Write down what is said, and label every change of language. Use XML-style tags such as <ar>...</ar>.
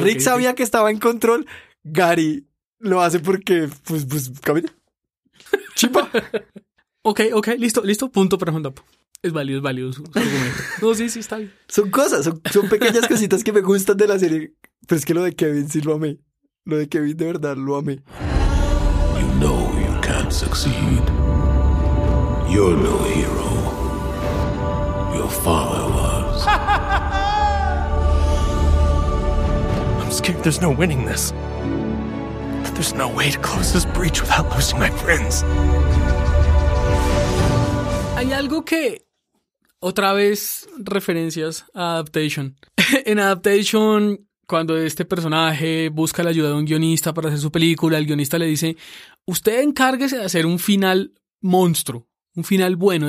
<es>Rick sabía que estaba en control. Gary lo hace porque, pues camina. Chimba. Ok, listo. Punto para Juan Dapo. Es válido su argumento. No, sí, está bien. Son cosas, son pequeñas cositas que me gustan de la serie. Pero es que lo de Kevin sí lo amé. Lo de Kevin de verdad lo amé.</es> <en>You know you can't succeed. You're no hero. Your father was. There's no winning this. There's no way to close this breach without losing my friends.</en> <es>Hay algo que... otra vez, referencias a Adaptation. En Adaptation, cuando este personaje busca la ayuda de un guionista para hacer su película, el guionista le dice, usted encárguese de hacer un final monstruo, un final bueno.</es>